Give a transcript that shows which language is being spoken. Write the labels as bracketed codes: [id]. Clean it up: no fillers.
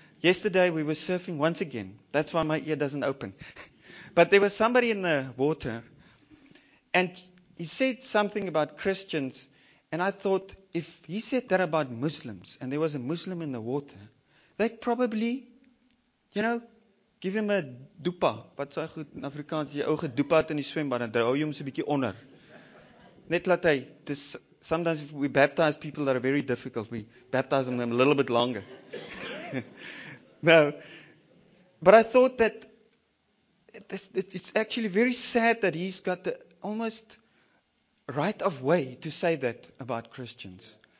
[en] Yesterday, we were surfing once again. That's why my ear doesn't open. But there was somebody in the water, and he said something about Christians, and I thought, if he said that about Muslims, and there was a Muslim in the water, they'd probably, you know, give him a dupa. [af] Wat sou goed in Afrikaans, jy ou gedoepa het in die swembad, dan hou jy hom so 'n bietjie onder. Net laat hy, dis, [en] sometimes if we baptize people that are very difficult, we baptize them a little bit longer. Now, but I thought that it's actually very sad that he's got the almost right of way to say that about Christians.